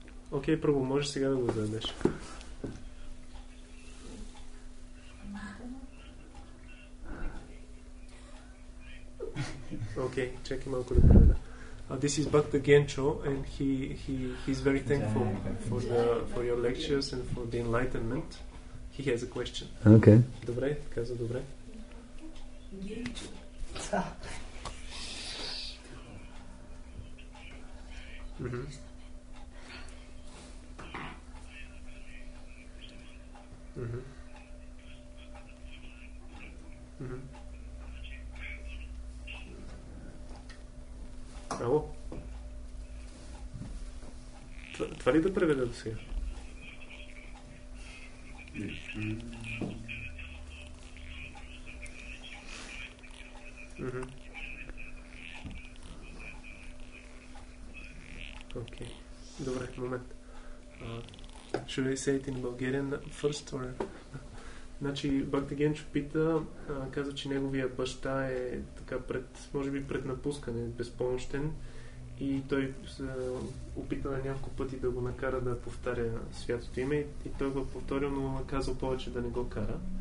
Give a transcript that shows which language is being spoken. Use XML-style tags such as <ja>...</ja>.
<bg>Окей, първо, можеш сега да го зададеш. Окей, чакай малко да проведа.</bg> <en>This is Bhakta Gencho, and he's very thankful for your lectures and for the enlightenment. He has a question. Okay.</en> <bg>Dobre, kaza dobre. Ало? Това ли да преведа до сега? Окей. Добре, момент.</bg> <en>Should I say it in Bulgarian first? Or?</en> <bg>Значи, Бхакти Генчо пита, каза, че неговия баща е така пред, може би пред напускане, безпомощен, и той се опита на няколко пъти да го накара да повтаря святото име, и той го повторил, но казал повече да не го кара.</bg>